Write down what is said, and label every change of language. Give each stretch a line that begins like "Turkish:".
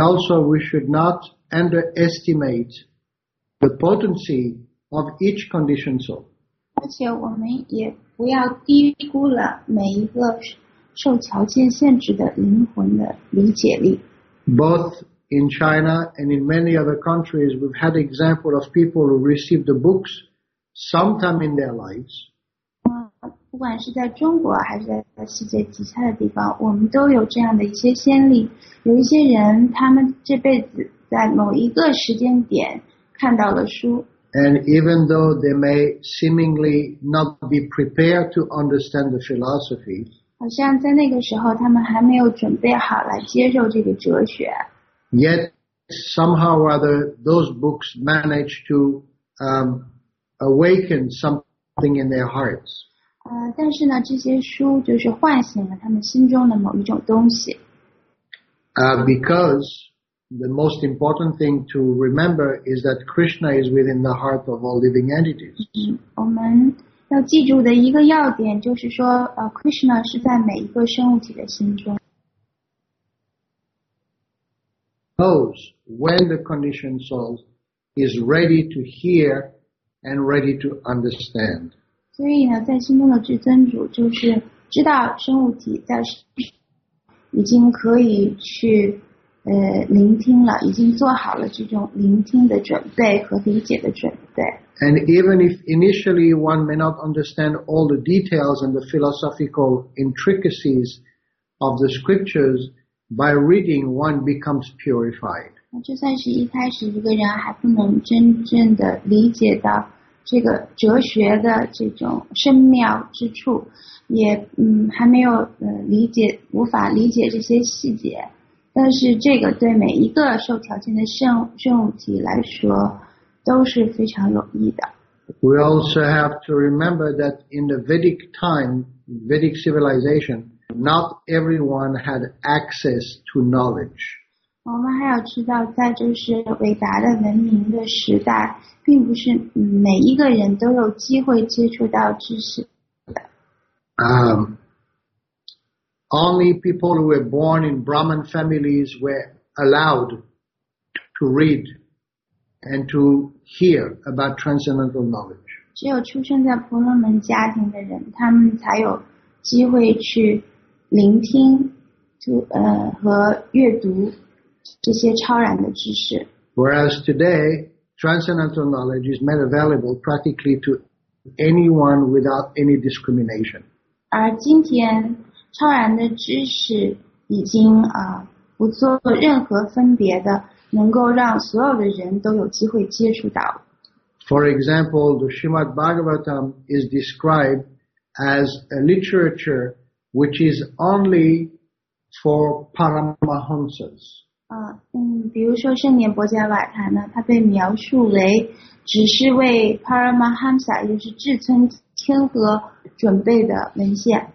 English: also we should not underestimate the potency of each conditioned soul.
Chinese: 而且我们也不要低估了每一个受条件限制的灵魂的理解力。
English: Both in China and in many other countries, we've had example of people who received the books sometime in their lives.
Chinese: 不管是在中国还是在世界其他的地方，我们都有这样的一些先例。有一些人，他们这辈子在某一个时间点看到了书。
English: And even though they may seemingly not be prepared to understand the philosophy,
Chinese: 好像在那个时候他们还没有准备好来接受这个哲学。
English: Yet, somehow or other, those books manage to, awaken something in their hearts.
Chinese: 但是呢这些书就是唤醒了他们心中的某一种东西。
English: Because the most important thing to remember is that Krishna is within the heart of all living entities.
Chinese: 我们要记住的一个要点就是说 Krishna 是在每一个生物体的心中。
English: Knows when the conditioned soul is ready to hear and ready to understand.
Chinese: 所以呢在心中的至尊主就是知道生物体在已经可以去聆听了已经做好了这种聆听的准备和理解的准备。
English: And even if initially one may not understand all the details and the philosophical intricacies of the scriptures, by reading one becomes purified.
Chinese: 就算是一开始一个人还不能真正的理解到这个哲学的这种深妙之处，也还没有理解，无法理解这些细节。但是这个对每一个受条件的生物体来说都是非常有益的。
English: We also have to remember that in the Vedic time, Vedic civilization, not everyone had access to knowledge.
Chinese: 我们还要知道在就是伟大的文明的时代并不是每一个人都有机会接触到知识的。
English: Only people who were born in Brahmin families were allowed to read and to hear about transcendental knowledge.
Chinese: 只有出生在婆罗门家庭的人，他们才有机会去聆听，和阅读这些超然的知识。
English: Whereas today, transcendental knowledge is made available practically to anyone without any discrimination.
Chinese: 而今天超然的知识已经不做任何分别的，能够让所有的人都有机会接触到。
English: For example, the Srimad Bhagavatam is described as a literature which is only for Paramahansas.
Chinese: 比如说圣严波伽瓦塔呢，它被描述为只是为 Paramahansa， 也就是至尊天和准备的文献。